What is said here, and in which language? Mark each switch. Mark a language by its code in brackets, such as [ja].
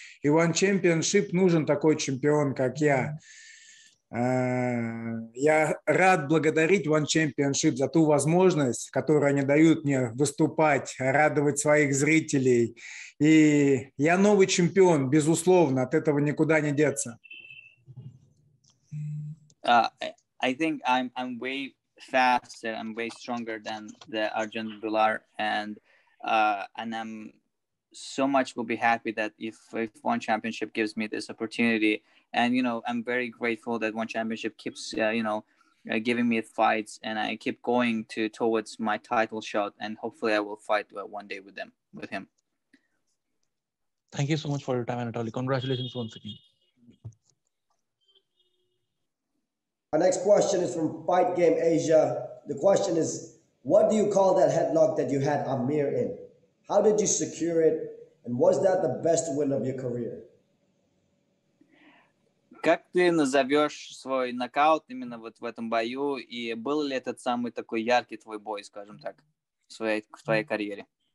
[ru] И One Championship нужен такой чемпион, как я. Я рад благодарить One Championship за ту возможность, которую они дают мне выступать, радовать своих зрителей. И я новый чемпион, безусловно, от этого никуда не деться. [en] I think I'm way faster, I'm way stronger than the Arjun Bhullar, and I'm so much will be happy that if One Championship gives me this opportunity. And, I'm very grateful that One Championship keeps, giving me fights, and I keep going towards my title shot, and hopefully I will fight one day with him. Thank you so much for your time, Anatoliy. Congratulations once again. Our next question is from Fight Game Asia. The question is, what do you call that headlock that you had Amir in? How did you secure it? And was that the best win of your career? [ru] Как ты назовешь свой нокаут именно вот в этом бою? И был ли этот самый такой яркий твой бой, скажем так, в твоей карьере?